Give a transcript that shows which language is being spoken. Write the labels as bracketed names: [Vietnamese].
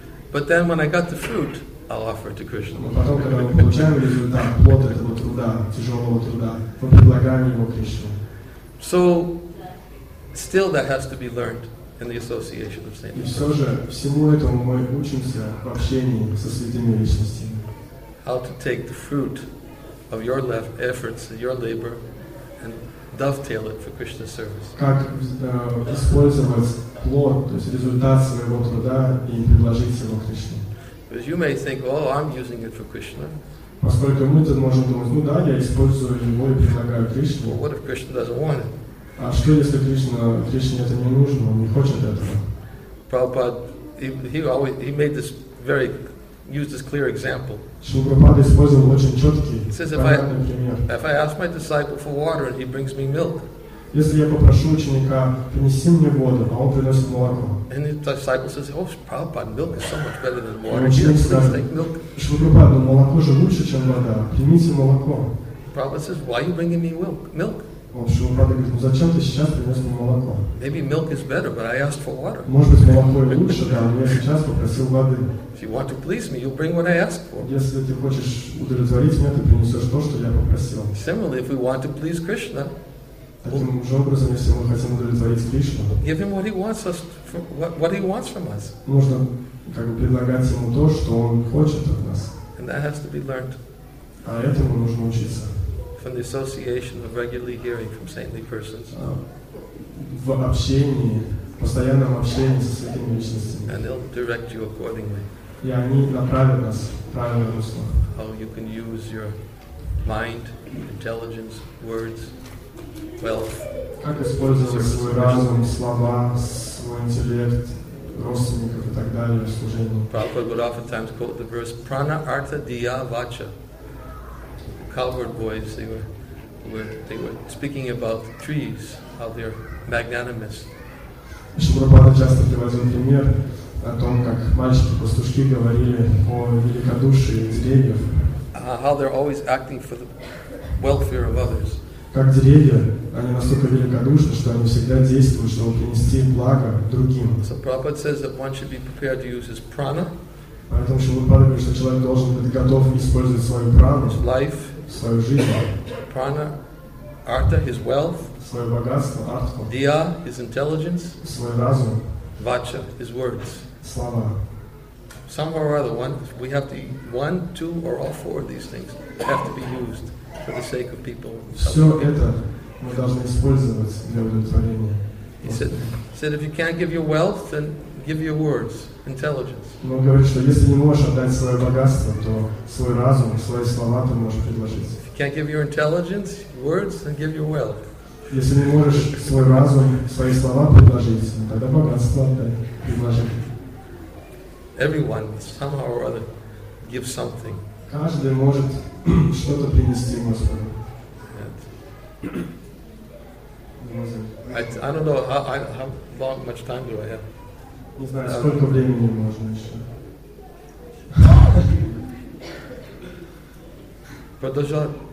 [English] But then when I got the fruit, I'll offer it to Krishna. [Russian] Но потом, когда мы получаем результат, плод этого труда, тяжелого труда, мы предлагаем его Кришне. [English] So, still that has to be learned in the association of saints. [Russian] И все же, всему этому мы учимся в общении со святыми личностями. [English] How to take the fruit of your efforts, your labor, and dovetail it for Krishna's service. [Russian] Как использовать плод, то есть результат своего труда, и предложить его Кришне. [English] Because you may think, oh, I'm using it for Krishna. [Russian] Поскольку мы тут можем думать, ну да, я использую его и предлагаю Кришне. [English] Well, what if Krishna doesn't want it? [Russian] А что если Кришне это не нужно, он не хочет этого? [English] Prabhupada, he made this very used this clear example. [Russian] Шупрапада использовал очень четкий, понятный пример. [English] If I ask my disciple for water and he brings me milk. [Russian] Если я попрошу ученика, принеси мне воду, а он принесет молоко. [English] And his disciple says, oh, Prabhupada, milk is so much better than water. [Russian] Шупрапада, молоко же лучше, чем вода. Примите молоко. [English] Prabhupada says, why are you bringing me milk? [Russian] Шупрапада говорит, ну зачем ты сейчас принес мне молоко? [English] Maybe milk is better, but I asked for water. [Russian] Может быть, молоко и лучше, да, но я сейчас попросил воды. [English] If you want to please me, you'll bring what I ask for. [Russian] Если ты хочешь удовлетворить меня, ты принесешь то, что я попросил. [English] Similarly, if we want to please Krishna, [Russian] таким же образом, если мы хотим удовлетворить Кришну, [English] give him what he wants us, what he wants from us. [Russian] Нужно как бы предлагать ему то, что он хочет от нас. [English] And that has to be learned. [Russian] А этому нужно учиться. [English] From the association of regularly hearing from saintly persons. [Russian] В общении, в постоянном общении со святыми личностями. [English] And they'll direct you accordingly. [Russian] И они направят нас в правильное русло. [English] How you can use your mind, intelligence, words, wealth. [Russian] Как использовать свой разум, слова, свой интеллект, родственников и так далее в служении. [English] Prabhupada would oftentimes quote the verse [Sanskrit] prana artha diya vacha. [English] Cowherd boys, they were speaking about trees, how they're magnanimous. [Russian] Шупрапада часто приводил пример о том, как мальчики-пастушки говорили о великодушии деревьев. [English] How they're always acting for the welfare of others. [Russian] Как деревья, они настолько великодушны, что они всегда действуют, чтобы принести благо другим. [English] So Prabhupada says that one should be prepared to use his prana. [Russian] Поэтому Шупрапада говорит, что человек должен быть готов использовать свою прану. [English] Life. [Russian] Свою жизнь. [English] Prana, artha, his wealth. [Russian] Свое богатство, артха. [English] Diya, his intelligence. [Russian] Свой разум. [English] Vacha, his words. [Russian] Слова. [English] Somehow or other, one, two, or all four of these things have to be used for the sake of people. [Russian] Все это мы должны использовать для удовлетворения. [English] He said, if you can't give your wealth, then give your words, intelligence. [Russian] Но говорит, что если не можешь отдать свое богатство, то свой разум, свои слова ты можешь предложить. [English] If you can't give your intelligence, words, then give your wealth. [Russian] Если не можешь свой разум, свои слова предложить, тогда богатство предложи. [English] Everyone, somehow or other, gives something. [Russian] Каждый может что-то принести Господу. [English] I don't know how long much time do I have? [Russian] Не знаю, сколько времени можно еще.